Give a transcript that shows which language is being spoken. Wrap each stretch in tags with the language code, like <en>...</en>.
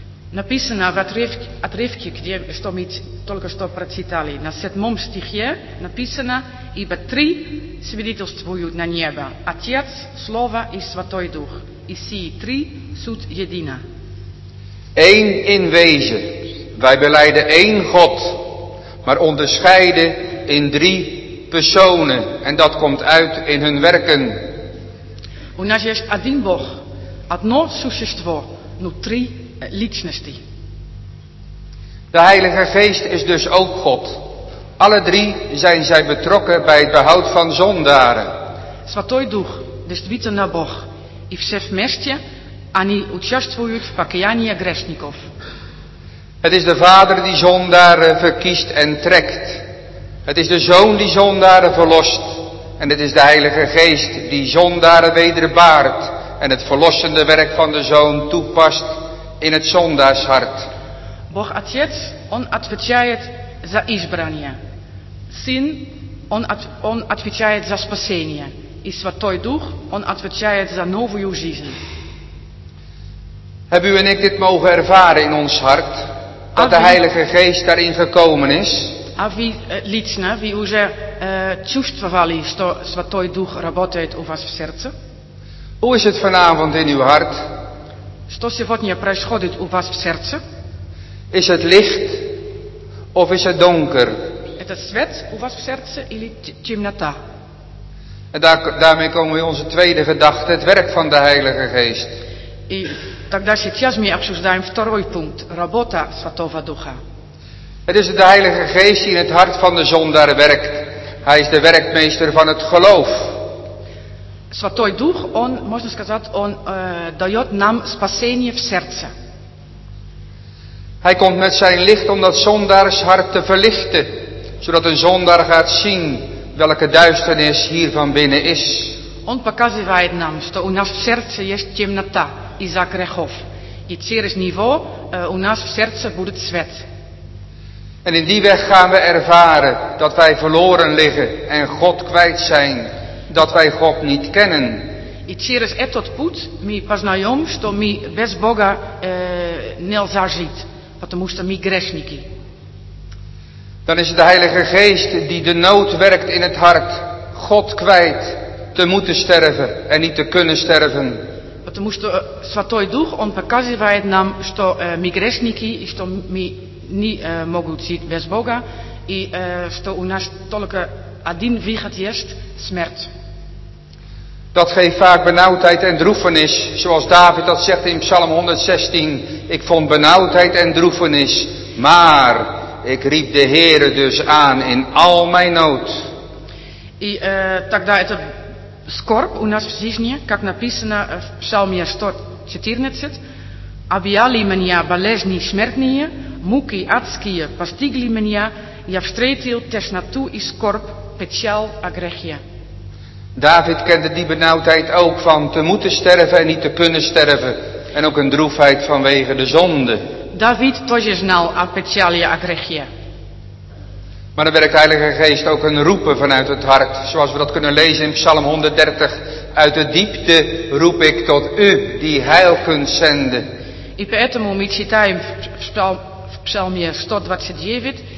<ru>Написано в отрывке, что мы только что прочитали, на седьмом стихе написано, ибо три свидетельствуют на небо, Отец, Слово и Святой Дух. И сии три суть едина.</ru> <nl>Eén in wezen. Wij belijden één God, maar onderscheiden in drie personen. En dat komt uit in hun werken.</nl> <ru>У нас есть один Бог, одно существо, но три личности.</ru> <nl>De Heilige Geest is dus ook God. Alle drie zijn zij betrokken bij het behoud van zondaren.</nl> <ru>Святой Дух, действительно Бог, и все вместе они участвуют в покаянии грешников.</ru> <nl>Het is de Vader die zondaren verkiest en trekt. Het is de Zoon die zondaren verlost. En het is de Heilige Geest die zondaren wederbaart en het verlossende werk van de Zoon toepast in het zondaarshart.</nl> <ru>Бог Отец, Он отвечает за избрание. Сын, Он отвечает за спасение. И Святой Дух, Он отвечает за новую жизнь.</ru> <nl>Hebben u en ik dit mogen ervaren in ons hart? Dat de Heilige Geest daarin gekomen is?</nl> <ru>А вы лично, вы уже чувствовали, что Святой Дух работает у вас в сердце?</ru> <nl>Hoe is het vanavond in uw hart?</nl> <ru>Что сегодня происходит у вас в сердце?</ru> <nl>Is het licht of is het donker?</nl> <ru>Это свет у вас в сердце или темнота?</ru> <nl>En daarmee komen we in onze tweede gedachte, het werk van de Heilige Geest.</nl> <ru>И тогда сейчас мы обсуждаем второй пункт, работа Святого Духа.</ru> <nl>Het is de Heilige Geest die in het hart van de zondaar werkt. Hij is de werkmeester van het geloof.</nl> <ru>Святой Дух, он, можно сказать, он дает нам спасение в сердце.</ru> <nl>Hij komt met zijn licht om dat zondaars hart te verlichten, zodat een zondaar gaat zien welke duisternis hier van binnen is.</nl> <ru>Он показывает нам, что у нас в сердце есть темнота из-за грехов. И через него у нас в сердце будет свет.</ru> <nl>En in die weg gaan we ervaren dat wij verloren liggen en God kwijt zijn. Dat wij God niet kennen.</nl> <ru>И через этот путь мы познаем, что мы без Бога нельзя жить. Потому что мы грешники.</ru> <nl>Dan is het de Heilige Geest die de nood werkt in het hart. God kwijt te moeten sterven en niet te kunnen sterven.</nl> <ru>Потому что Святой Дух, Он показывает нам, что мы грешники, и что мы не могут жить без Бога, и что у нас только один выход есть – смерть.</ru> <nl>Dat geeft vaak benauwdheid en droefenis, zoals David dat zegt in Psalm 116. Ik vond benauwdheid en droefenis, maar ik riep de Heere dus aan in al mijn nood.</nl> <ru>И тогда это... Скорб у нас в жизни, как написано в Псалме 114, «Объяли меня болезни смертные, муки адские постигли меня, я встретил тесноту и скорбь, печаль о грехе».</ru> <nl>Давид kende die benauwdheid ook van te moeten sterven en niet te kunnen sterven, en ook een droefheid vanwege de zonde.</nl> <ru>Давид тоже знал о печали о грехе.</ru> <nl>Maar dan werkt de Heilige Geest ook een roepen vanuit het hart. Zoals we dat kunnen lezen in Psalm 130. Uit de diepte roep ik tot u die heil kunt zenden. En daarom we</nl> <ru>читаем в Псалме 129.</ru>